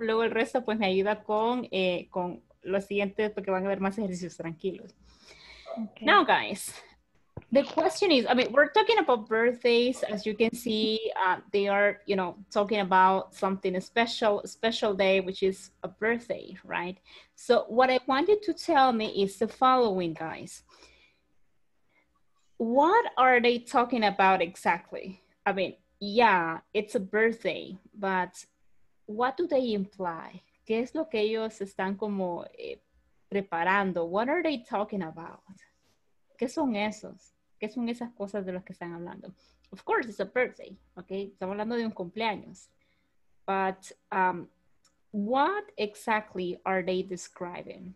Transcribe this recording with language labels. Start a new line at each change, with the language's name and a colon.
Spanish: Luego el resto pues me ayuda con los siguientes porque van a haber más ejercicios tranquilos.
English: Okay. Now, guys, the question is, I mean, we're talking about birthdays. As you can see, they are, you know, talking about something special, special day, which is a birthday, right? So what I want you to tell me is the following, guys. What are they talking about exactly? I mean, yeah, it's a birthday, but what do they imply?
Spanish: ¿Qué es lo que ellos están como preparando?
English: What are they talking about? ¿Qué son esos?
Spanish: ¿Qué son esas cosas de las que están hablando?
English: Of course, it's a birthday, okay? Estamos hablando de un cumpleaños. But what exactly are they describing?